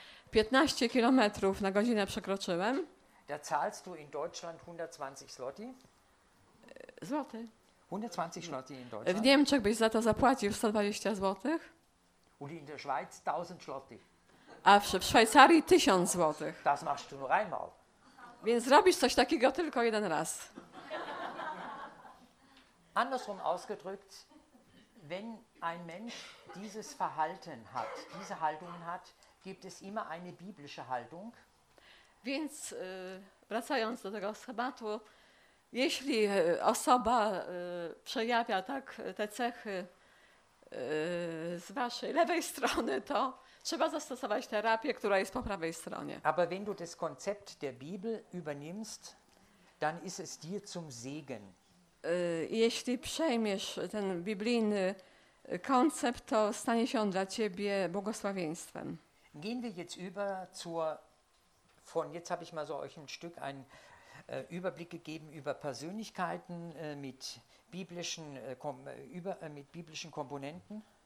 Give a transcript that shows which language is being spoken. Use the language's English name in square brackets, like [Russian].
[Polish] 15 kilometrów na godzinę przekroczyłem. [German] Da zahlst du in Deutschland 120 Zloty. [Polish] Złoty. [German] 120 Zloty in Deutschland. [Polish] W Niemczech byś za to zapłacił 120 Zlotych. [German] Und in der Schweiz 1000 Zloty. [Polish] A w Szwajcarii 1000 Zlotych. [German] Das machst du nur einmal. [Polish] Więc zrobisz coś takiego tylko jeden raz. [German] Andersrum ausgedrückt, wenn ein Mensch dieses Verhalten hat, diese Haltung hat, gibt es immer eine biblische Haltung. [Polish] Więc wracając do tego schematu, jeśli osoba przejawia tak te cechy z waszej lewej strony, to trzeba zastosować terapię, która jest po prawej stronie. [German] Aber wenn du das Konzept der Bibel übernimmst, dann ist es dir zum Segen. [Polish] Jeśli przejmiesz ten biblijny koncept, to stanie się on dla ciebie błogosławieństwem. [German] Gehen wir jetzt über zur von jetzt habe ich mal so euch ein Stück einen Überblick gegeben über Persönlichkeiten mit biblischen mit biblischen Komponenten.